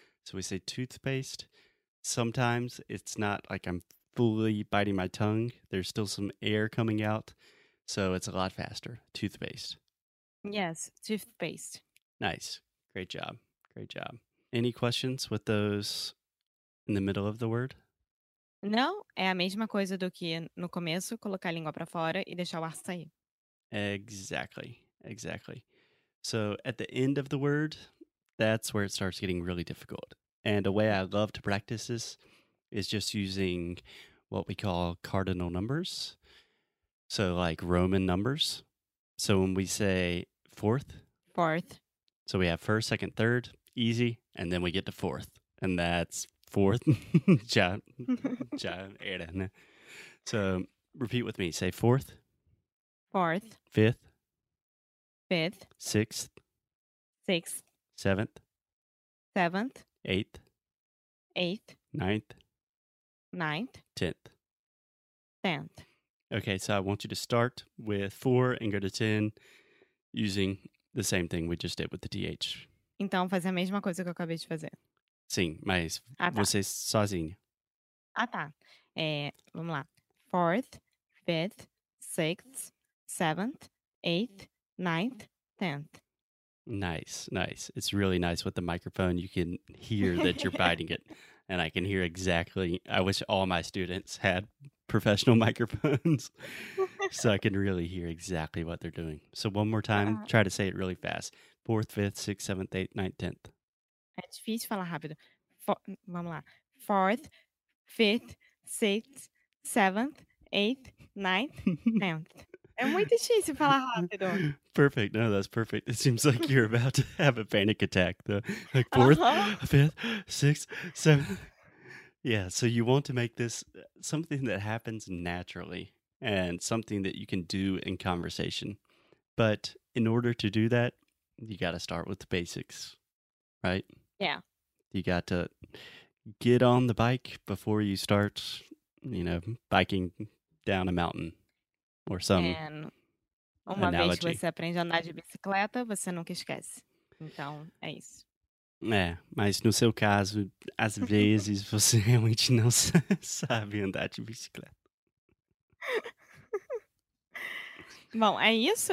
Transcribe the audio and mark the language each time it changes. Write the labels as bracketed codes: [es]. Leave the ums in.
[en] So we say toothpaste. Sometimes it's not like I'm fully biting my tongue, there's still some air coming out. So it's a lot faster. Toothpaste. Yes, toothpaste. Nice. Great job. Great job. Any questions with those in the middle of the word? [pt] Não, é a mesma coisa do que no começo, colocar a língua para fora e deixar o ar sair. [en] Exactly, exactly. So, at the end of the word, that's where it starts getting really difficult. And a way I love to practice this is just using what we call cardinal numbers. So, like Roman numbers. So, when we say fourth, fourth. So, we have first, second, third, easy, and then we get to fourth. And that's fourth John John Aaron. So repeat with me. Say fourth. Fourth. Fifth. Fifth. Sixth. Sixth. Seventh. Seventh. Eighth. Eighth. Ninth. Ninth. Tenth. Tenth. Okay, so I want you to start with four and go to ten using the same thing we just did with the TH. [pt] Então, fazer a mesma coisa que eu acabei de fazer. Sim, mas ah, tá. Ah, tá. vamos lá. [en] Fourth, fifth, sixth, seventh, eighth, ninth, tenth. Nice, nice. It's really nice with the microphone. You can hear that you're biting it. And I can hear exactly. I wish all my students had professional microphones so I can really hear exactly what they're doing. So, one more time, Ata. try to say it really fast. Fourth, fifth, sixth, seventh, eighth, ninth, tenth. [pt] É difícil falar rápido. For, vamos lá. [en] Fourth, fifth, sixth, seventh, eighth, ninth, tenth. [pt] é muito difícil falar rápido. [en] Perfect. No, that's perfect. It seems like you're about to have a panic attack. The like, fourth, uh -huh. fifth, sixth, seventh. Yeah, so you want to make this something that happens naturally and something that you can do in conversation. But in order to do that, you got to start with the basics, right? Yeah. You got to get on the bike before you start, you know, biking down a mountain or some. And [pt] é, uma analogy. vez que você aprende a andar de bicicleta, você nunca esquece. Então, é isso. É, mas no seu caso, às vezes você realmente não sabe andar de bicicleta. Bom, é isso?